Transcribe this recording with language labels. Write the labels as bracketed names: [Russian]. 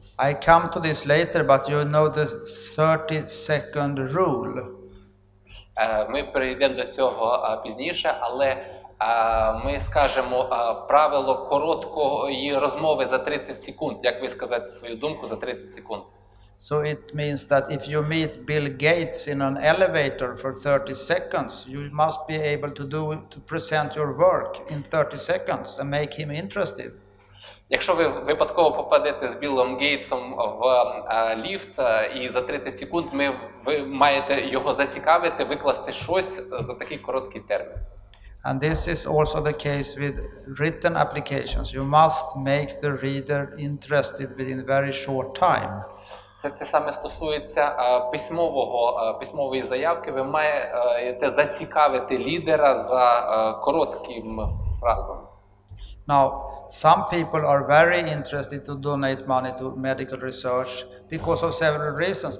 [English] I come to this later, but you know the 30-second rule. [Ukrainian] Ми перейдемо до цього пізніше, але ми скажемо правило короткої розмови за 30 секунд. Як ви сказати свою думку за 30 секунд? [English] So it means that if you meet Bill Gates in an elevator for 30 seconds, you must be able to present your work in 30 seconds and make him interested. [Ukrainian] Якщо ви випадково попадете з Біллом Гейтсом в ліфт, і за 30 секунд ви маєте його зацікавити, викласти щось за такий короткий термін. [English] And this is also the case with written applications. You must make the reader interested within very short time. [Ukrainian] Це те саме стосується письмової заявки. Ви маєте зацікавити лідера за коротким фразом. [English] Now, some people are very interested to donate money to medical research because of several reasons.